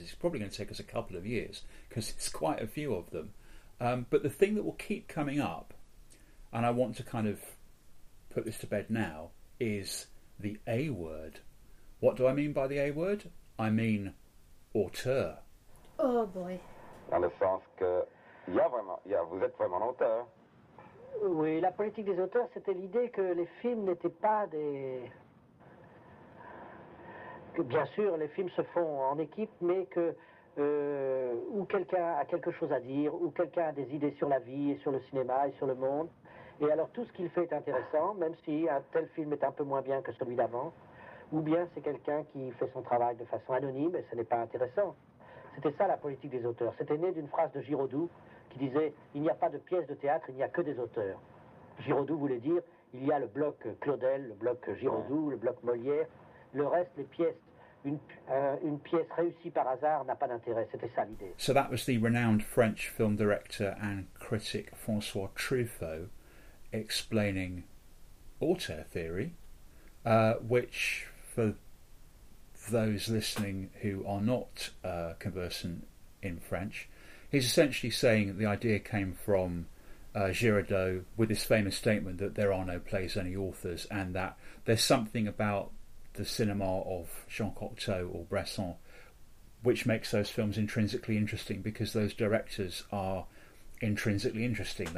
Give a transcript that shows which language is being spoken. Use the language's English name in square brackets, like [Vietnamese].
[English] It's probably going to take us a couple of years because it's quite a few of them. But the thing that will keep coming up, and I want to kind of put this to bed now, is the A word. What do I mean by the A word? I mean auteur. Oh, boy. [French] Dans le sens que vous êtes vraiment auteur. Oui, la politique des auteurs, c'était l'idée que les films n'étaient pas des... Bien sûr, les films se font en équipe, mais que ou quelqu'un a quelque chose à dire, ou quelqu'un a des idées sur la vie, et sur le cinéma, et sur le monde. Et alors tout ce qu'il fait est intéressant, même si un tel film est un peu moins bien que celui d'avant. Ou bien c'est quelqu'un qui fait son travail de façon anonyme, et ce n'est pas intéressant. C'était ça la politique des auteurs. C'était né d'une phrase de Giraudoux qui disait « Il n'y a pas de pièces de théâtre, il n'y a que des auteurs ». Giraudoux voulait dire « Il y a le bloc Claudel, le bloc Giraudoux, le bloc Molière. Le reste, les pièces, une pièce réussie par hasard n'a pas d'intérêt. » C'était ça l'idée. [English] So that was the renowned French film director and critic François Truffaut explaining auteur theory, which for... those listening who are not conversant in French, he's essentially saying the idea came from Girodot with his famous statement that there are no plays, only authors, and that there's something about the cinema of Jean Cocteau or Bresson which makes those films intrinsically interesting because those directors are intrinsically interesting.